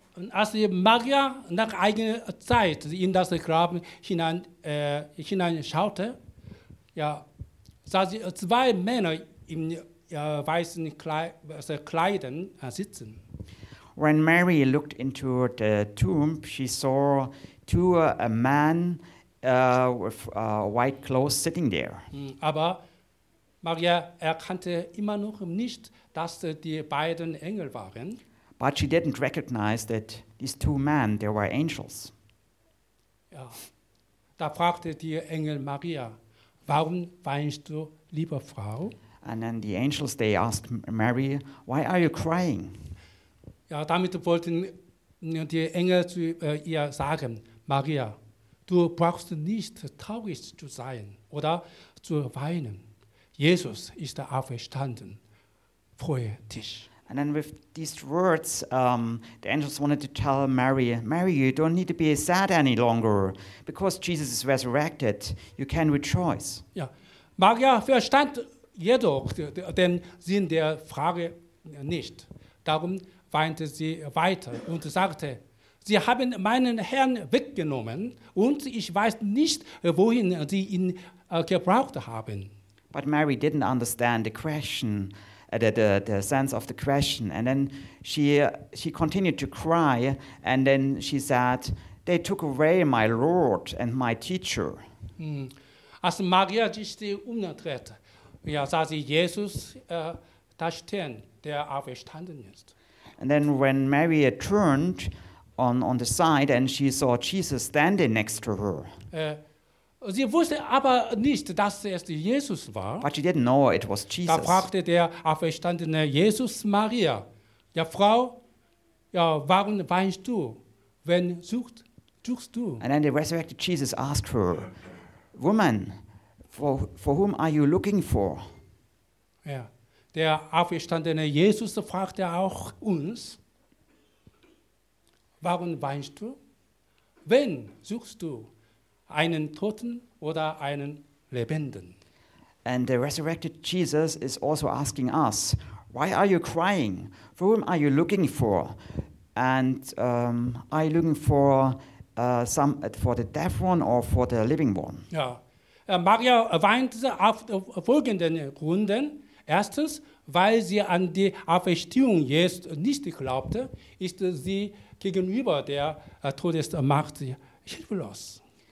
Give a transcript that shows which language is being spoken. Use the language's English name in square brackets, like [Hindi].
[German] Als Maria nach eigener Zeit in das Grab hineinschaute, ja, sah sie zwei Männer im weißen Kleidern sitzen. [English] When Mary looked into the tomb, she saw two a man with white clothes sitting there. [German] Aber Maria erkannte immer noch nicht, dass die beiden Engel waren. [English] But she didn't recognize that these two men, they were angels. [German] Ja. Da fragte die Engel Maria, warum weinst du, liebe Frau? [English] And then the angels, they asked Mary, why are you crying? [German] Ja, damit wollten die Engel zu ihr sagen, Maria, du brauchst nicht traurig zu sein oder zu weinen. Jesus ist auferstanden. Freue dich. [English] And then with these words, the angels wanted to tell Mary, Mary, you don't need to be sad any longer. Because Jesus is resurrected, you can rejoice. [German] Ja. Maria verstand jedoch den Sinn der Frage nicht. Darum weinte sie weiter und sagte, sie haben meinen Herrn weggenommen und ich weiß nicht, wohin sie ihn gebraucht haben. [English] But Mary didn't understand the question, the sense of the question. And then she continued to cry. And then she said, they took away my Lord and my teacher. [German] Als Maria sich umdrehte, ja, sah sie Jesus da stehen, der auferstanden ist. [English] And then when Mary turned on the side and she saw Jesus standing next to her. [German] Sie wusste aber nicht, dass es Jesus war. [English] But she didn't know it was Jesus. [German] Da fragte der auferstandene Jesus Maria, ja Frau, ja, warum weinst du, wenn suchst du? [English] And then the resurrected Jesus asked her, Woman, for whom are you looking for? [German] Ja, der auferstandene Jesus fragte auch uns, warum weinst du, wenn suchst du? Einen Toten oder einen Lebenden. [English] And the resurrected Jesus is also asking us, why are you crying? For whom are you looking for? And are you looking for for the dead one or for the living one? [German] Ja, Maria weinte auf folgenden Gründen. Erstens, weil sie an die Auferstehung Jesu nicht glaubte, ist sie gegenüber der Todesmacht hilflos.